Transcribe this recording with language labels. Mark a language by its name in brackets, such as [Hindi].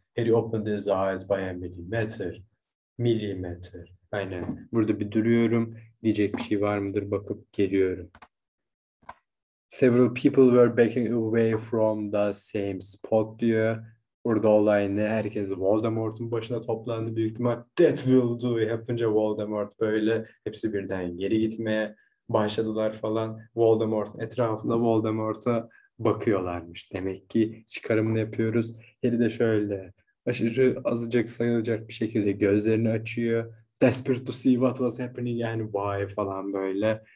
[English] He opened his eyes by a millimeter. Millimeter. [Turkish] Aynen. Burada bir duruyorum. Diyecek bir şey var mıdır? Bakıp geliyorum. [English] Several people were backing away from the same spot [Turkish] diyor. Burada olay ne? Herkes Voldemort'un başına toplandı büyük ihtimal. [English] That will do. [Turkish] Yapınca Voldemort böyle hepsi birden geri gitmeye başladılar falan. Voldemort etrafında Voldemort'a bakıyorlarmış. Demek ki çıkarımını yapıyoruz. Heri de şöyle aşırı azıcık sayılacak bir şekilde gözlerini açıyor. [English] Desperate to see what was happening and why [Turkish] falan böyle.